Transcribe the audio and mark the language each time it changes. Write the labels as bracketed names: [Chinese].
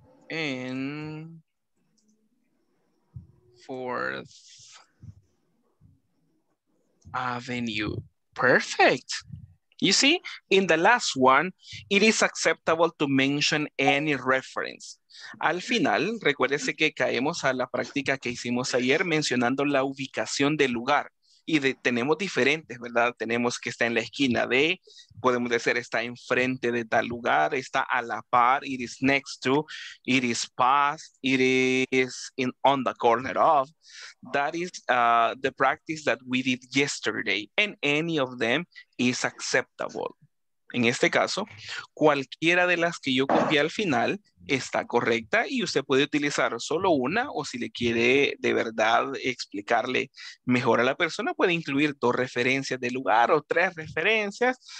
[English] And Fourth Avenue. Perfect. You see, in the last one, it is acceptable to mention any reference. [Spanish] Al final, recuérdese que caemos a la práctica que hicimos ayer mencionando la ubicación del lugar. Y de, tenemos diferentes, ¿verdad? Tenemos que está en la esquina de, podemos decir, está enfrente de tal lugar, está a la par, [English] it is next to, it is past, it is in, on the corner of. That is the practice that we did yesterday. And any of them is acceptable. [Spanish] En este caso, cualquiera de las que yo copié al final está correcta y usted puede utilizar solo una o si le quiere de verdad explicarle mejor a la persona, puede incluir dos referencias del lugar o tres referencias.